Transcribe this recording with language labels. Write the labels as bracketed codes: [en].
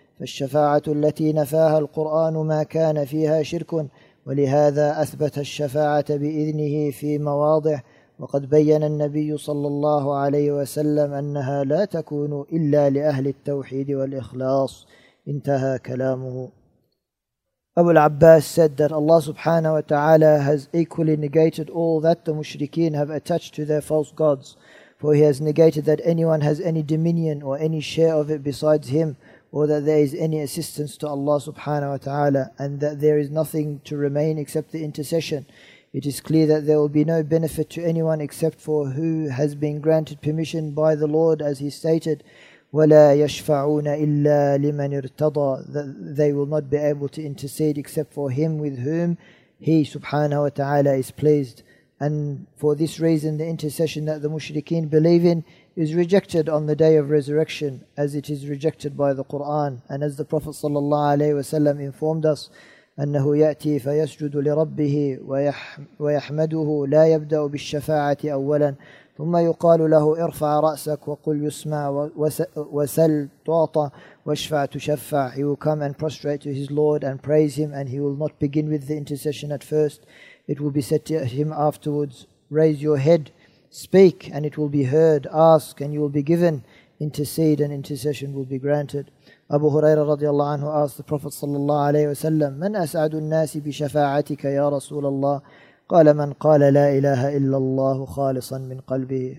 [ar] فالشفاعة التي نفاها القرآن ما كان فيها شرك، ولهذا أثبت الشفاعة بإذنه في مواضع، وقد بين النبي صلى الله عليه وسلم أنها لا تكون إلا لأهل التوحيد والإخلاص. انتهى كلامه. [en] أبو العباس said that Allah subhanahu wa ta'ala has equally negated all that the mushrikeen have attached to their false gods, for he has negated that anyone has any dominion or any share of it besides him, or that there is any assistance to Allah subhanahu wa ta'ala, and that there is nothing to remain except the intercession. It is clear that there will be no benefit to anyone except for who has been granted permission by the Lord, as he stated, [ar] وَلَا يَشْفَعُونَ إِلَّا لِمَنِ ارْتَضَى, [en] that they will not be able to intercede except for him with whom he subhanahu wa ta'ala is pleased. And for this reason, the intercession that the mushrikeen believe in is rejected on the day of resurrection, as it is rejected by the Qur'an. And as the Prophet sallallahu alayhi wa sallam informed us, [ar] أنه يأتي فيسجد لربه ويحمده لا يبدأ بالشفاعة أولا ثم يقال له ارفع رأسك وقل يسمع وسل تعطى واشفع تشفع. [en] He will come and prostrate to his Lord and praise him, and he will not begin with the intercession at first. It will be said to him afterwards, raise your head, speak, and it will be heard, ask, and you will be given, intercede, and intercession will be granted. Abu Huraira radiallahu anhu asked the Prophet sallallahu alayhi wa sallam, [ar] من أسعد الناس بشفاعتك يا رسول الله؟ قال من قال لا إله إلا الله خالصا من قلبه.